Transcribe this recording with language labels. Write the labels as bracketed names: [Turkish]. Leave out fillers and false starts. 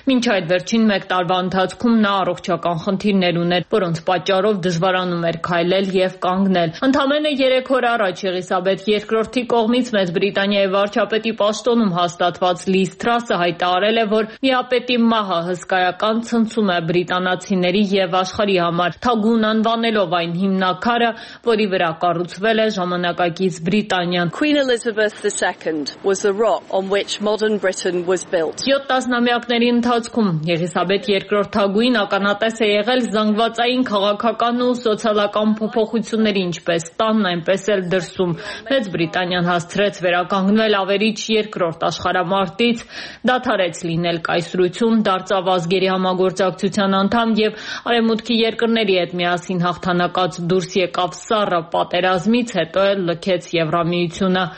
[Armenian] Մինչ այդ վերջին 1 տարվա ընթացքում նա առողջական խնդիրներ ուներ, որոնց պատճառով դժվարանում էր քայլել եւ կանգնել։ Ընդամենը 3 օր առաջ Եղիսաբեթ II-ի կողմից Մեծ Բրիտանիայի վարչապետի պաշտոնում հաստատված Լիզ Տրասը հայտարարել է, որ միապետի մահը հսկայական ցնցում է բրիտանացիների եւ աշխարհի համար, անվանելով այն հիմնակարը, որի վրա կառուցվել է ժամանակակից Բրիտանիան։ [English] Queen Elizabeth II was the rock on which modern Britain was built. [Armenian] 7-ամյակների ընթացքում Եղիսաբեթ II-ի թագուհին ականատես է եղել զանգվածային քաղաքական ու սոցիալական փոփոխությունների, ինչպես տանն, այնպես էլ դրսում։ Մեծ Բրիտանիան հաստրեց վերականգնել ավերիչ երկրորդ աշխարհամարտից, դադարեց լինել կայսրություն, դարձավ ազգերի համագործակցության անդամ եւ արևմուտքի երկրների միասին հաղթանակած դուրս եկավ սառը պատերազմից, հետո էլ լքեց Եվրամիությունը։